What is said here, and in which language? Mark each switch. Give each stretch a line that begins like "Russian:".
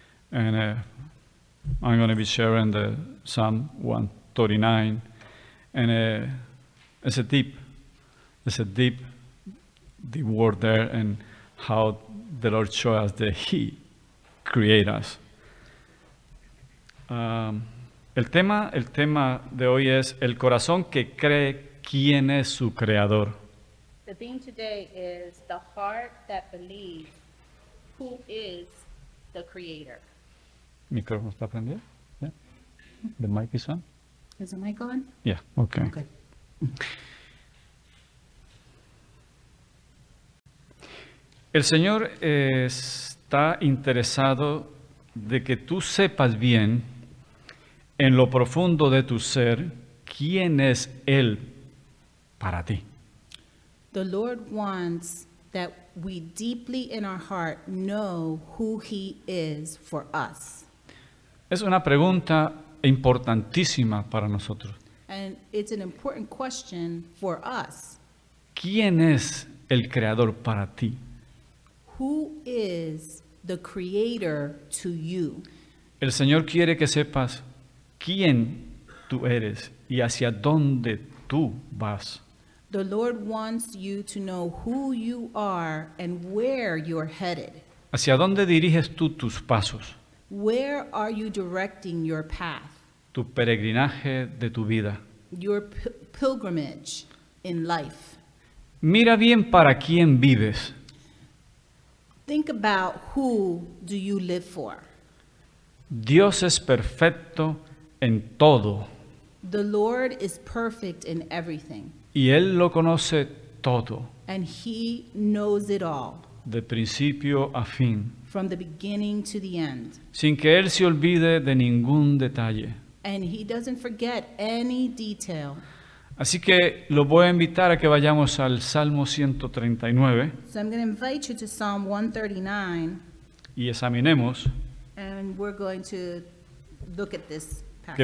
English: And I'm going to be sharing the Psalm 139. And it's a deep word there, and how the Lord showed us that He created us.
Spanish: El tema de hoy es el corazón que cree quién es su creador.
English: The theme today is the heart that believes. Who is the creator? Microphone
Spanish: está prendido?
English: Yeah. The mic is on? Is the mic on? Yeah, okay. Okay.
Spanish: El Señor está interesado de que tú sepas bien en lo profundo de tu ser quién es Él para ti.
English: The Lord wants that we deeply in our heart know who He is for us.
Spanish: Es una pregunta importantísima para nosotros.
English: And it's an important question for us.
Spanish: ¿Quién es el creador para ti?
English: Who is the creator to you?
Spanish: El Señor quiere que sepas quién tú eres y hacia dónde tú vas.
English: The Lord wants you to know who you are and where you're headed.
Spanish: ¿Hacia dónde diriges tú tus pasos?
English: Where are you directing your path?
Spanish: Tu peregrinaje de tu vida.
English: Your pilgrimage in life.
Spanish: Mira bien para quién vives.
English: Think about who do you live for.
Spanish: Dios es perfecto en todo.
English: The Lord is perfect in everything.
Spanish: Y Él lo conoce todo.
English: And He knows it all.
Spanish: De principio a fin.
English: From the beginning to the end.
Spanish: Sin que Él se olvide de ningún detalle.
English: And He doesn't forget any detail.
Spanish: Así que lo voy a invitar a que vayamos al Salmo 139.
English: So I'm going to invite you to Psalm 139.
Spanish: Y examinemos.
English: And we're going to look at this passage.